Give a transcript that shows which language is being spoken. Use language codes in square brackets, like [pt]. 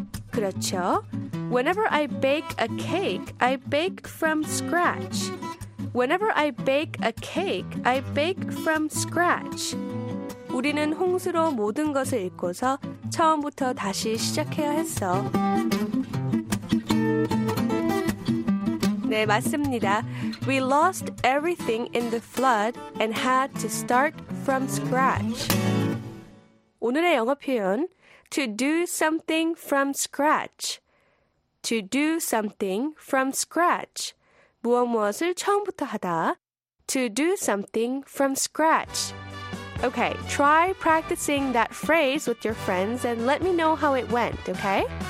[ko] 그렇죠. [en] Whenever I bake a cake, I bake from scratch. Whenever I bake a cake, I bake from scratch. [ko] 우리는 홍수로 모든 것을 잃고서 처음부터 다시 시작해야 했어. 네, 맞습니다. [en] We lost everything in the flood and had to start from scratch. [ko] 오늘의 영어 표현, [en] to do something from scratch. To do something from scratch. [ko] 무엇무엇을 처음부터 하다. [en] To do something from scratch. Okay, try practicing that phrase with your friends and let me know how it went, okay?